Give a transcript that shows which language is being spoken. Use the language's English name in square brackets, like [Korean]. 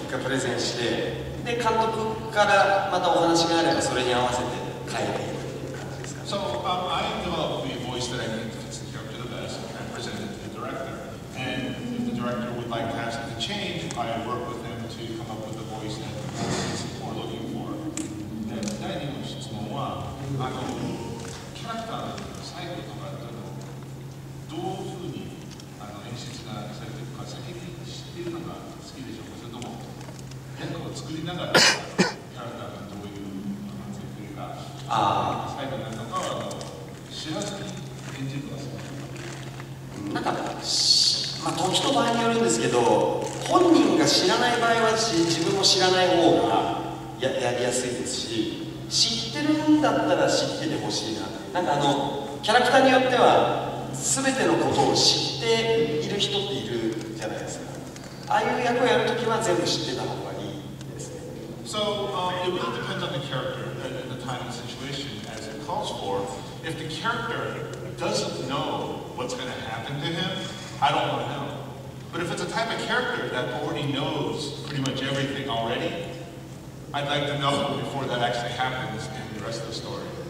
[Japanese] レゼンして、で監督からまたお話があればそれに合わせて変えていくっていう感じですか。 [English] So, I developed the voice that I think fits the character the best and presented to the director. And if the director would like to have something change, I work with him to come up with the voice that he's more looking for. [Japanese] で、第二の質問は、あのキャラクターの最後とかだとどういうふうにあの演出がされていくか、先に知っているのが好きでしょうか、それとも作りながらキャラクターがどういう感じっていうか、最後になるのかは知らずに演じるのが好きですか。なんか、まあ、時と場合によるんですけど、本人が知らない場合は自分も知らない方が やりやすいですし、知ってるんだったら知っててほしいな。なんかあのキャラクターによっては全てのことを知っている人っているじゃないですか。ああいう役をやるときは全部知ってた方が。 [English] So it really depends on the character and the time and situation as it calls for. If the character doesn't know what's going to happen to him, I don't want to know. But if it's a type of character that already knows pretty much everything already, I'd like to know before that actually happens in the rest of the story.